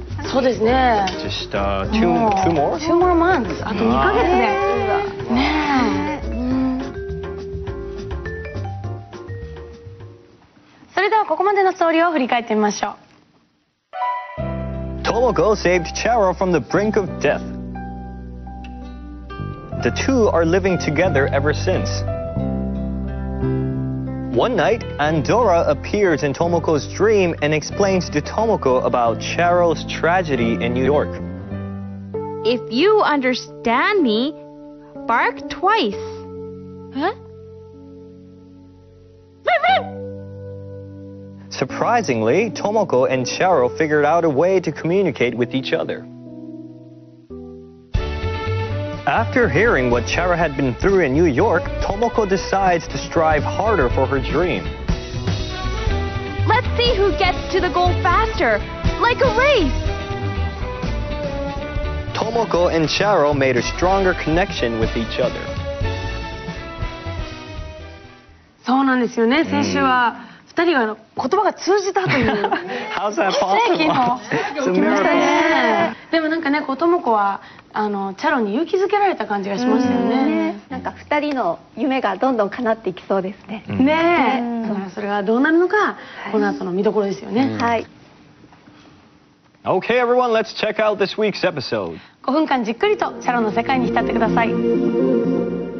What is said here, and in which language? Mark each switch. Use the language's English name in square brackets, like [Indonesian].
[Japanese] そうですね。 [English] Just、two more? Two more months. [Japanese] あと2ヶ月で、ねえ、それではここまでのストーリーを振り返ってみましょう。 [English] トモコ saved Charo from the brink of death. The two are living together ever since. One night, Andora appears in Tomoko's dream and explains to Tomoko about Charo's tragedy in New York. If you understand me, bark twice. Huh? Surprisingly, Tomoko and Charo figured out a way to communicate with each other. After hearing what Charo had been through in New York, Tomoko decides to strive harder for her dream. Let's see who gets to the goal faster, like a race! Tomoko and Charo made a stronger connection with each other. [Japanese] そうなんですよね、先週は。二人が言葉が通じたという [English] How's that possible? [Japanese] 奇跡の起きましたね。でもなんかね、子ともこはチャロに勇気づけられた感じがしましたよ ね。なんか二人の夢がどんどん叶っていきそうですね。ねえ、それがどうなるのか、この後の見どころですよね。はい。 [English] Okay, everyone, let's check out this week's episode. [Japanese] 5分間じっくりとチャロの世界に浸ってください。